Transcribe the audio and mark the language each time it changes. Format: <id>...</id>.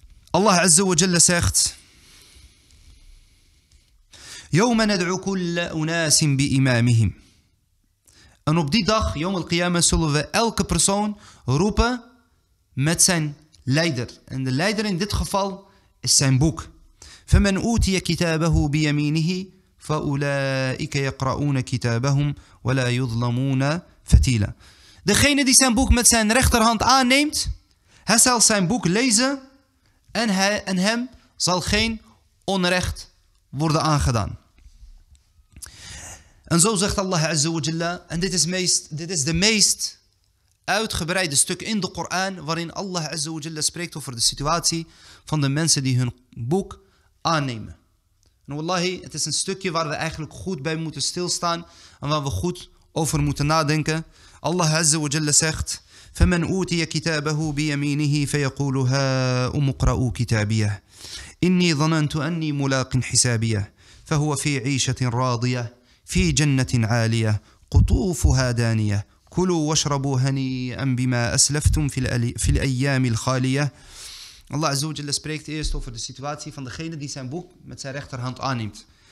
<ar>Allah Azza wa Jalla zegt, يوم ندعو كل أناس بإمامهم.</ar> <nl>En op die dag, يوم القيامة, zullen we elke persoon roepen met zijn leider. En de leider in dit geval is zijn boek.</nl> <ar>فمن أوتي كتابه بيمينه فأولئك يقرؤون كتابهم ولا يظلمون فتيلا.</ar> <nl>Degene die zijn boek met zijn rechterhand aanneemt, hij zal zijn boek lezen en hij en hem zal geen onrecht worden aangedaan. En zo zegt Allah Azza wa Jalla, en dit is de meest uitgebreide stuk in de Koran waarin Allah Azza wa Jalla spreekt over de situatie van de mensen die hun boek aannemen. En wallahi, het is een stukje waar we eigenlijk goed bij moeten stilstaan en waar we goed over moeten nadenken.</nl> <ar>Allah Azza wa Jalla zegt, فَمَنْ أُوْتِيَ كِتَابَهُ بِيَمِينِهِ فَيَقُولُ هَا أُمُقْرَأُوا كِتَابِيَهِ إِنِّي ظَنَنْتُ أَنِّي مُلَاقٍ حِسَابِيَهِ فَهُوَ فِي عِيشَةٍ رَاضِيَهِ فِي جَنَّةٍ عَالِيَهِ قُطُوفُهَا دَانِيَهِ كُلُوا وَاشْرَبُوا هَنِيئًا بِمَا أَسْلَفْتُمْ فِي الْأَيَّامِ الْخَالِيَهِ.</ar> <nl>Allah Azza wa Jalla spreekt eerst over de situatie van degene die zijn boek met zijn rechterhand aanneemt.</nl>